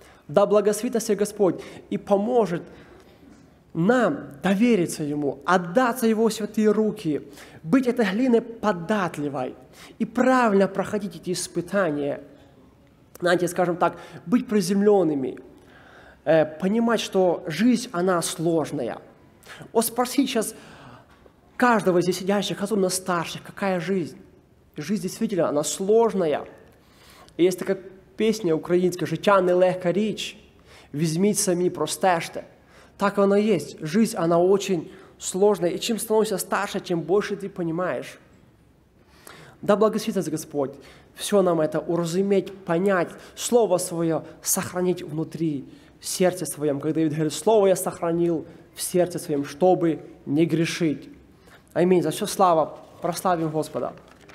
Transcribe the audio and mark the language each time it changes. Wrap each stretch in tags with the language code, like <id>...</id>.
<ru>Да благословит себя Господь и поможет нам довериться Ему, отдаться Его святые руки, быть этой глиной податливой и правильно проходить эти испытания. Знаете, скажем так, быть приземленными, понимать, что жизнь, она сложная. Вот спросить сейчас каждого здесь сидящих, особенно старших, какая жизнь? Жизнь действительно, она сложная. И есть такая песня украинская,</ru> <uk>«Життя не легка річ, візьміть самі простежте».</uk> <ru>Так оно и есть. Жизнь, она очень сложная. И чем становишься старше, тем больше ты понимаешь. Да благословит нас Господь все нам это уразуметь, понять, слово свое сохранить внутри сердце своем. Как Давид говорит, слово я сохранил в сердце своем, чтобы не грешить. Аминь. За все слава. Прославим Господа.</ru>